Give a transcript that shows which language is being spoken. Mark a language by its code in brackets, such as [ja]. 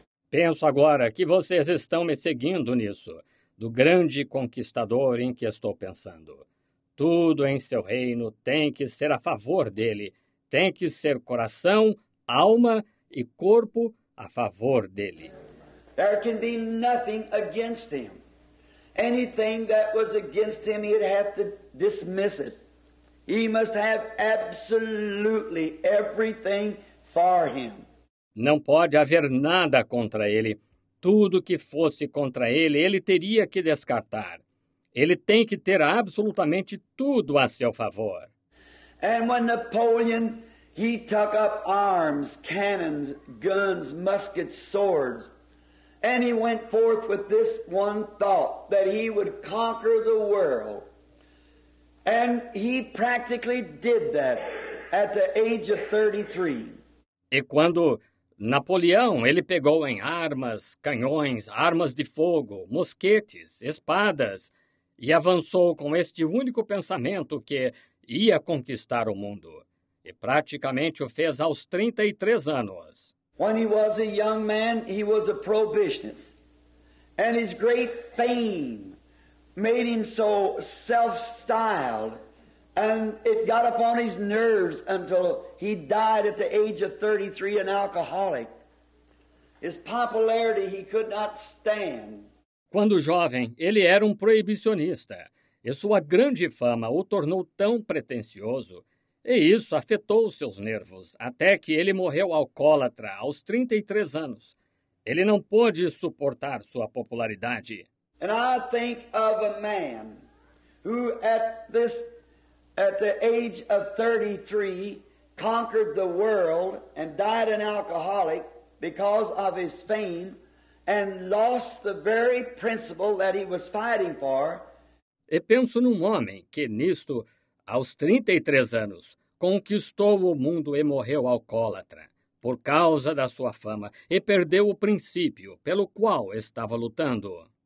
[pt] Penso agora que vocês estão me seguindo nisso, do grande conquistador em que estou pensando. Tudo em seu reino tem que ser a favor dele, tem que ser coração, alma e corpo a favor dele. [en] There can be nothing against him. Anything that was against him, he'd have to dismiss it. He must have absolutely everything for him. [pt] Não pode haver nada contra ele. Tudo que fosse contra ele, ele teria que descartar. Ele tem que ter absolutamente tudo a seu favor. [en] And when Napoleon, he took up arms, cannons, guns, muskets, swords, and he went forth with this one thought, that he would conquer the world. And he practically did that at the age of 33. [pt] E quando Napoleão, ele pegou em armas, canhões, armas de fogo, mosquetes, espadas, e avançou com este único pensamento que ia conquistar o mundo. E praticamente o fez aos 33 anos. [en] When he was a young man, he was a prohibitionist. And his great fame made him so self-styled, and it got upon his nerves until he died at the age of 33, an alcoholic. His popularity he could not stand. [pt] Quando jovem, ele era um proibicionista, e sua grande fama o tornou tão pretensioso, e isso afetou seus nervos, até que ele morreu alcoólatra aos 33 anos. Ele não pôde suportar sua popularidade. [en] And I think of a man who at the age of 33 conquered the world and died an alcoholic because of his fame and lost the very principle that he was fighting for. [pt] E penso num homem que nisto, aos 33 anos, conquistou o mundo e morreu alcoólatra por causa da sua fama e perdeu o princípio pelo qual estava lutando.